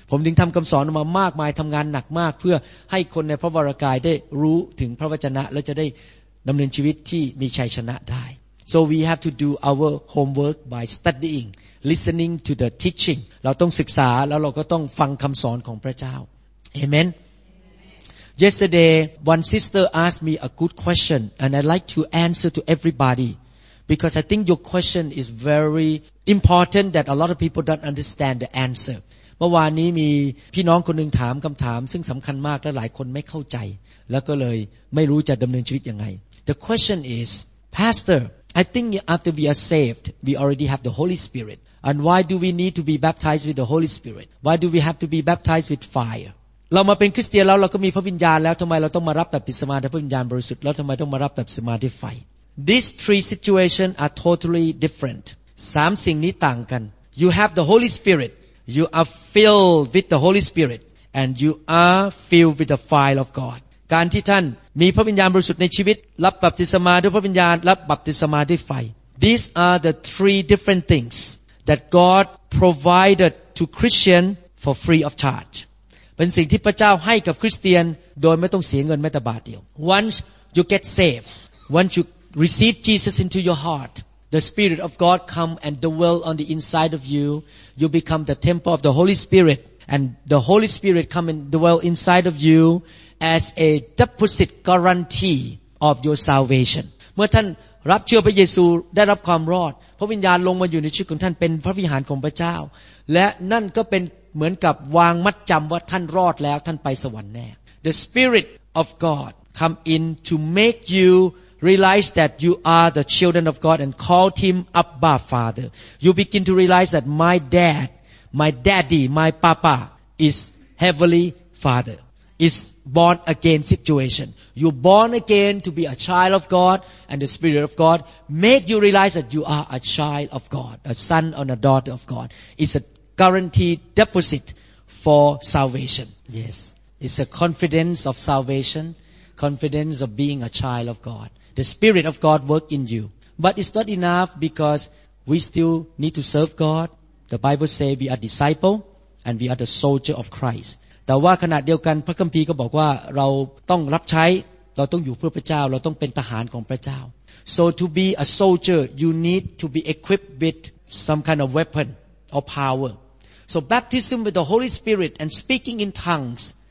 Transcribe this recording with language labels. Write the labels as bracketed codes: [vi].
[th] ผมจึงทำคำสอนออกมามากมายทำงานหนักมากเพื่อให้คนในพระวรกายได้รู้ถึงพระวจนะและจะได้ดำเนินชีวิตที่มีชัยชนะได้ [en] So we have to do our homework by studying, listening to the teaching. [th] เราต้องศึกษาแล้วเราก็ต้องฟังคำสอนของพระเจ้า Amen. [en] Yesterday, one sister asked me a good question, and I'd like to answer to everybody because I think your question is very important that a lot of people don't understand the answer. [th] เมื่อวานนี้มีพี่น้องคนหนึ่งถามคำถามซึ่งสำคัญมากและหลายคนไม่เข้าใจแล้วก็เลยไม่รู้จะดำเนินชีวิตยังไง [en] The question is, Pastor, I think after we are saved, we already have the Holy Spirit. And why do we need to be baptized with the Holy Spirit? Why do we have to be baptized with fire? [th] เรามาเป็นคริสเตียนแล้วเราก็มีพระวิญญาณแล้วทำไมเราต้องมารับแบบปิสมาด้วยพระวิญญาณบริสุทธิ์แล้วทำไมต้องมารับแบบปิสมาด้วยไฟ [en] These three situations are totally different [th] สามสิ่งนี้ต่างกัน [en] You have the Holy Spirit You are filled with the Holy Spirit And you are filled with the fire of God [th] การที่ท่านมีพระวิญญาณบริสุทธิ์ในชีวิตรับแบบปิสมาด้วยพระวิญญาณรับแบบปิสมาด้วยไฟ [en] These are the three different things that God provided to Christian for free of charge [th] เป็นสิ่งที่พระเจ้าให้กับคริสเตียนโดยไม่ต้องเสียเงินแม้แต่บาทเดียว [en] Once you get saved, once you receive Jesus into your heart, the Spirit of God come and dwell on the inside of you. You become the temple of the Holy Spirit, and the Holy Spirit come and dwell inside of you as a deposit guarantee of your salvation. [th] เมื่อท่านรับเชื่อพระเยซูได้รับความรอดพระวิญญาณลงมาอยู่ในชีวิตของท่านเป็นพระวิหารของพระเจ้าและนั่นก็เป็นเหมือนกับวางมัดจำว่าท่านรอดแล้วท่านไปสวรรค์แน่ [en] The Spirit of God come in to make you realize that you are the children of God and called him Abba Father. You begin to realize that my dad, my daddy, my papa is heavenly father. Is born again situation. You born again to be a child of God and the Spirit of God make you realize that you are a child of God, a son and a daughter of God. It's aGuaranteed deposit for salvation. Yes. It's a confidence of salvation. Confidence of being a child of God. The Spirit of God works in you. But it's not enough because we still need to serve God. The Bible says we are disciples. and we are the soldier of Christ [th] แต่ว่าขณะเดียวกันพระคัมภีร์ก็บอกว่าเราต้องรับใช้เราต้องอยู่เพื่อพระเจ้าเราต้องเป็นทหารของพระเจ้า [en] So to be a soldier you need to be equipped with some kind of weapon or power So baptism with the Holy Spirit and speaking in tongues